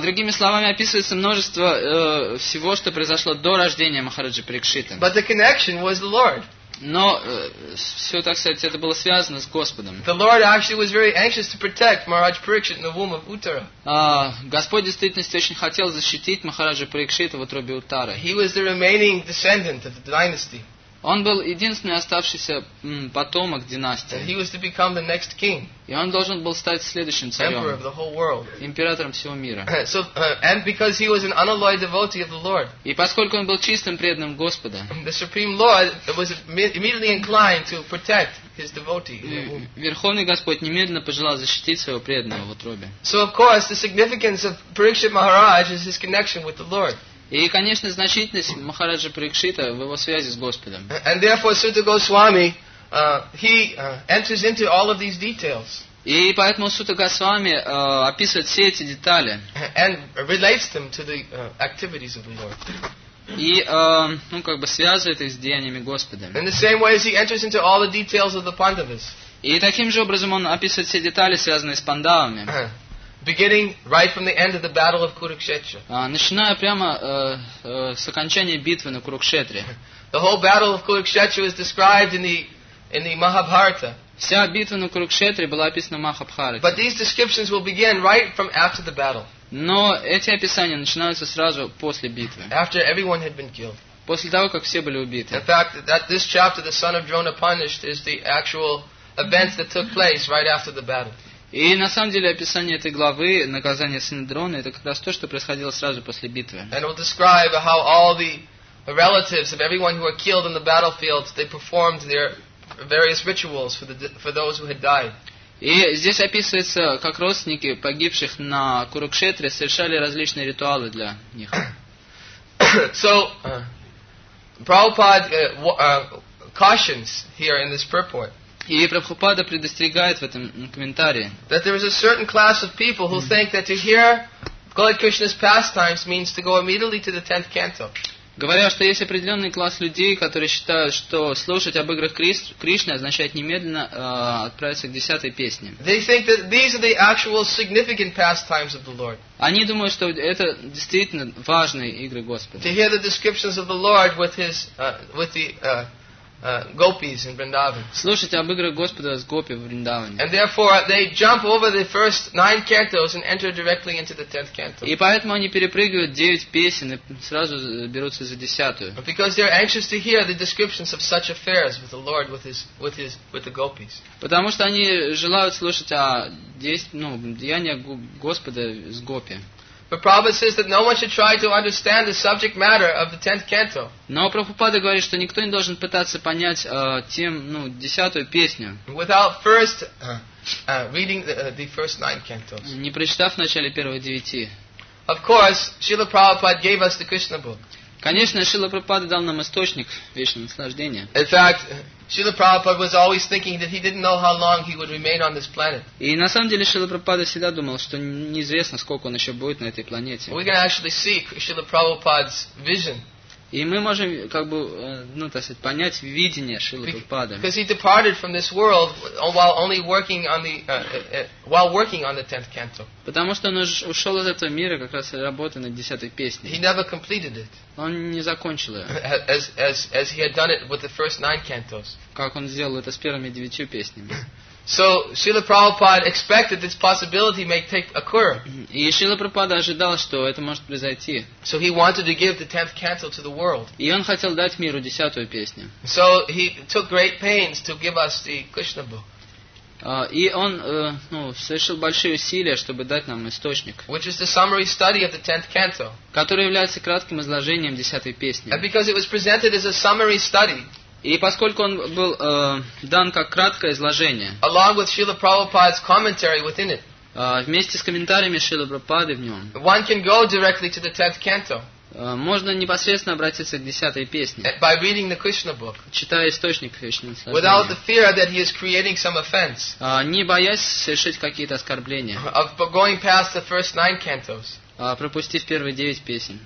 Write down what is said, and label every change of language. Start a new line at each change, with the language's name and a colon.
Russian: Другими словами, описывается множество всего, что произошло до рождения Махараджи Парикшита.
English: But the connection was the Lord.
Russian: Но все, так сказать, это было связано с Господом.
English: The Lord actually was very anxious to protect Maharaj Parikshit in the womb of Uttara.
Russian: Господь в действительности очень хотел защитить Махараджа Парикшита в утробе Уттары.
English: He was the remaining descendant of the dynasty.
Russian: Он был единственный оставшийся потомок династии.
English: He was to become the next king.
Russian: И он должен был стать следующим царем.
English: Emperor of the whole world.
Russian: Императором всего мира.
English: So, and because he was an unalloyed devotee of the Lord.
Russian: И поскольку он был чистым преданным Господа.
English: The Supreme Lord was immediately inclined to protect his devotee.
Russian: Верховный Господь немедленно пожелал защитить своего преданного в утробе.
English: So of course the significance of Parikshit Maharaj is his connection with the Lord.
Russian: И, конечно, значительность Махараджа Парикшита в его связи с Господом.
English: And therefore, Sutta Goswami, he enters into all of these details.
Russian: И поэтому Сутта Госвами описывает все эти детали.
English: And relates them to the activities of the Lord.
Russian: И, ну, как бы связывает их с деяниями Господа.
English: In the same way as he enters into all the details of the Pandavas.
Russian: И таким же образом он описывает все детали, связанные с Пандавами.
English: Beginning right from the end of the battle of Kurukshetra.
Russian: Начиная прямо с окончания битвы на Курукшетре.
English: The whole battle of Kurukshetra is described in the Mahabharata.
Russian: Вся битва на Курукшетре была описана в Махабхарате.
English: But these descriptions will begin right from after the battle.
Russian: Но эти описания начинаются сразу после битвы.
English: After everyone had been killed.
Russian: После того, как все были убиты.
English: In fact, that this chapter, the son of Drona punished, is the actual events that took place right after the battle.
Russian: И на самом деле описание этой главы «Наказание сына Дрона» это как раз то, что происходило сразу после битвы.
English: And it will describe how all the relatives of everyone who were killed in the battlefield they performed their various rituals for those who had died.
Russian: И здесь описывается, как родственники погибших на Курукшетре совершали различные ритуалы для них.
English: So, Prabhupada cautions here in this purport.
Russian: И Прабхупада предостерегает в этом комментарии.
English: That there is a certain class of people who think that to hear Lord Krishna's pastimes means to go immediately to the 10th canto.
Russian: Говоря, что есть определенный класс людей, которые считают, что слушать об играх Кришны означает немедленно отправиться к 10-й песне.
English: They think that these are the actual significant pastimes of the Lord.
Russian: Они думают, что это действительно важные игры Господа.
English: To hear the descriptions of the Lord with his gopis in Vrindavan.
Russian: Слушать об играх Господа с гопи в Вриндаване.
English: And therefore they jump over the first 9 cantos and enter directly into the 10th canto.
Russian: И поэтому они перепрыгивают 9 песен и сразу берутся за 10-ю.
English: Because they're anxious to hear the descriptions of such affairs with the Lord with the gopis.
Russian: Потому что они желают слушать о деяниях Господа с гопи.
English: But Prabhupada says that no one should try to understand the subject matter of the 10th canto.
Russian: Но Прабхупада говорит, что никто не должен пытаться понять тем, ну, десятую песню.
English: Without first reading the first 9 cantos.
Russian: Не прочитав вначале первых 9.
English: Of course, Srila Prabhupada gave us the Krishna book.
Russian: Конечно, Шрила Прабхупада дал нам источник вечного наслаждения.
English: In fact, Srila Prabhupada was always thinking that he didn't know how long he would remain on this planet.
Russian: И на самом деле Шрила Прабхупада всегда думал, что неизвестно, сколько он еще будет на этой планете.
English: We can actually see Srila Prabhupada's vision.
Russian: И мы можем как бы, ну, так сказать, понять видение Шрилы Прабхупады.
English: Because he departed from this world while only working on the 10th canto.
Russian: Потому что он ушел из этого мира как раз работая над десятой песней.
English: He never completed it.
Russian: Он не закончил ее.
English: As he had done it with the first 9 cantos.
Russian: Как он сделал это с первыми девятью песнями.
English: So Srila Prabhupada expected this possibility may take occur.
Russian: И Шрила Прабхупада ожидал, что это может произойти.
English: So he wanted to give the 10th canto to the world.
Russian: И он хотел дать миру десятую песню.
English: So he took great pains to give us the Krishna book.
Russian: И он, ну, совершил большие усилия, чтобы дать нам источник.
English: Which is the summary study of the 10th canto.
Russian: Который является кратким изложением десятой песни.
English: And because it was presented as a summary study.
Russian: И поскольку он был дан как краткое изложение,
English: along with Srila Prabhupada's commentary within it,
Russian: вместе с комментариями Шрилы Прабхупады в нем,
English: one can go directly to the 10th canto,
Russian: можно непосредственно обратиться к десятой песне,
English: by reading the Krishna book,
Russian: читая источник Кришны,
English: without the fear that he is creating some offense,
Russian: не боясь совершить какие-то оскорбления,
English: of going past the first 9 cantos,
Russian: пропустив первые 9 песен,